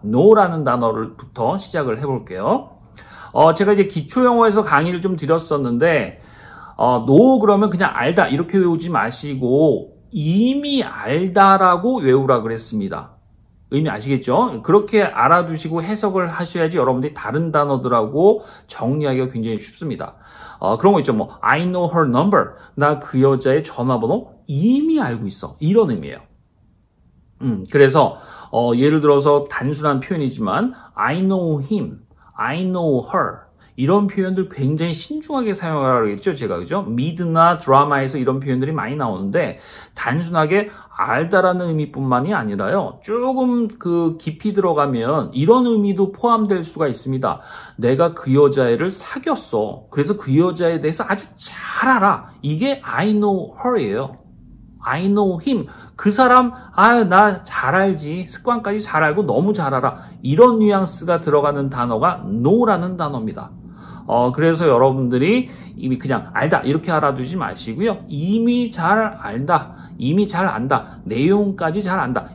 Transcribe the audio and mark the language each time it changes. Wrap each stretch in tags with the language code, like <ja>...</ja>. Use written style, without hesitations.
<ko>know라는 단어부터 시작을 해볼게요. 제가 이제 기초영어에서 강의를 좀 드렸었는데, know 그러면 그냥 알다 이렇게 외우지 마시고 이미 알다라고 외우라 그랬습니다. 의미 아시겠죠? 그렇게 알아두시고 해석을 하셔야지 여러분들이 다른 단어들하고 정리하기가 굉장히 쉽습니다. 그런 거 있죠. 뭐</ko> <en>I know her number.</en> <ko>나 그 여자의 전화번호 이미 알고 있어. 이런 의미예요. 그래서 예를 들어서 단순한 표현이지만</ko> <en>I know him, I know her.</en> <ko>이런 표현들 굉장히 신중하게 사용하라고 했죠, 제가, 그죠? 미드나 드라마에서 이런 표현들이 많이 나오는데 단순하게 알다라는 의미뿐만이 아니라요, 조금 그 깊이 들어가면 이런 의미도 포함될 수가 있습니다. 내가 그 여자애를 사귀었어. 그래서 그 여자에 대해서 아주 잘 알아. 이게</ko> <en>I know her</en> <ko>예요.</ko> <en>I know him.</en> <ko>그 사람, 아유, 나 잘 알지. 습관까지 잘 알고 너무 잘 알아. 이런 뉘앙스가 들어가는 단어가 know라는 단어입니다. 그래서 여러분들이 이미 그냥 알다 이렇게 알아두지 마시고요. 이미 잘 알다, 이미 잘 안다, 내용까지 잘 안다.</ko>